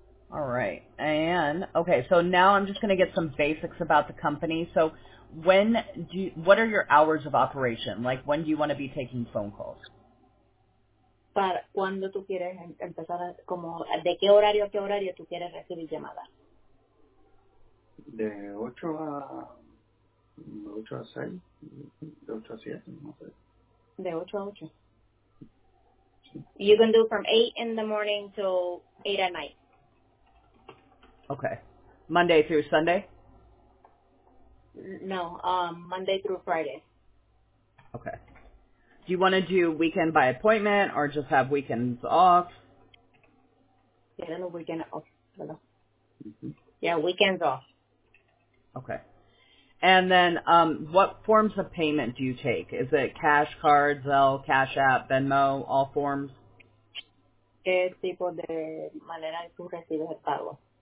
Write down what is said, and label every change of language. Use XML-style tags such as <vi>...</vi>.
<en>All right, and okay, so now I'm just going to get some basics about the company. So when do you, what are your hours of operation? Like, when do you want to be taking phone calls?</en> <es>Para cuando tú quieres empezar, como, ¿de qué horario a qué horario tú quieres recibir llamadas? De 8 a 6, de 8 a 7, no sé. De 8 a 8. Sí.</es> <en>You can do from 8 in the morning to 8 at night. Okay. Monday through Sunday? No, Monday through Friday. Okay. Do you want to do weekend by appointment or just have weekends off? Yeah, then a weekend off. Mm-hmm. Yeah, weekends off. Okay. And then what forms of payment do you take? Is it cash, card, Zelle, Cash App, Venmo, all forms?</en> <es>¿Qué tipo de manera tú recibes el pago?</es>